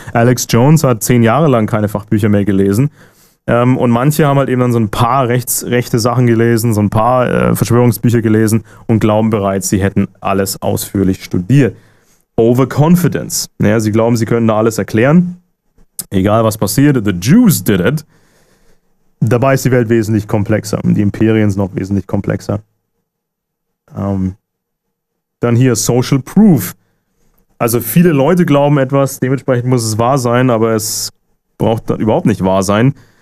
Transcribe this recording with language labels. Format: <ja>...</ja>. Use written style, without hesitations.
<de>Alex Jones hat 10 Jahre lang keine Fachbücher mehr gelesen und manche haben halt eben dann so ein paar rechte Sachen gelesen, so ein paar Verschwörungsbücher gelesen und glauben bereits, sie hätten alles ausführlich studiert. Overconfidence. Naja, sie glauben, sie können da alles erklären. Egal was passierte,</de> <en>the Jews did it.</en> <de>Dabei ist die Welt wesentlich komplexer und die Imperien sind auch wesentlich komplexer. Dann hier Social Proof. Also viele Leute glauben etwas, dementsprechend muss es wahr sein, aber es braucht dann überhaupt nicht wahr sein.</de>